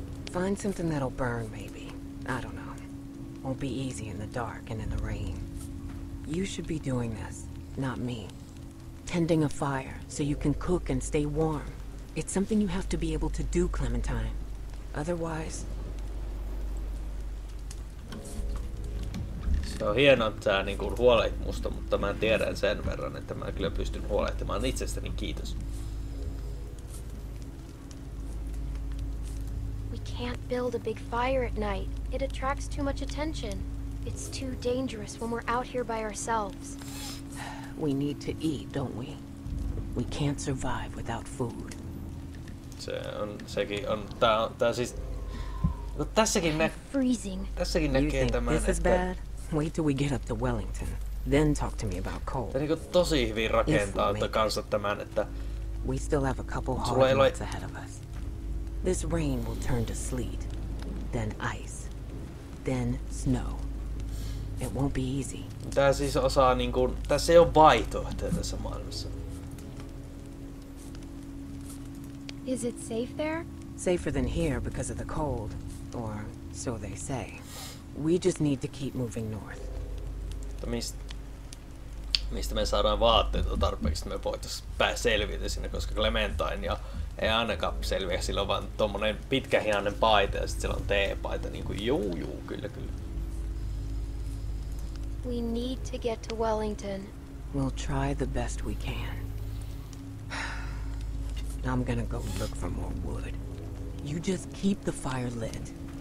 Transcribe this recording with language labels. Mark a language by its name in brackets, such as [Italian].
[English] Find something that'll burn, maybe. I don't know. Won't be easy in the dark and in the rain. You should be doing this, not me. Tending a fire so you can cook and stay warm. It's something you have to be able to do, Clementine. Otherwise... [Finnish] Se on hienoa, että sä niinku huolehdit musta, mutta mä tiedän sen verran, että mä kyllä pystyn huolehtimaan itsestäni, kiitos. [English] We can't build a big fire at night. It attracts too much attention. It's too dangerous when we're out here by ourselves. We need to eat, don't we? We can't survive without food. [Finnish] Se on, sekin on, tää siis, no tässäkin näkee tämän, että... [English] Bad? Wait till we get up to Wellington, then talk to me about coal. [Finnish] Tää niinku tosi hyvin rakentaa tota kanssa tämän, että... [English] We still have a couple hard months ahead of us. This rain will turn to sleet, then ice, then snow. It won't be easy. [Finnish] Tää siis osaa niinku, tässä ei oo vaihtoehtoja tässä maailmassa. [English] Is it safe there? Safer than here because of the cold, or so they say. We just need to keep moving north. [Finnish] Mistä me saadaan vaatteita tarpeeksi, että me voitaisiin pää selviytyä sinne, koska Clementine ja ei ainakaan selviä, sillä on vaan tommonen pitkähihainen paita ja sit siellä on T-paita, niin kuin juu, kyllä. [English] We need to get to Wellington. We'll try the best we can. I'm gonna go look for more wood. You just keep the fire lit.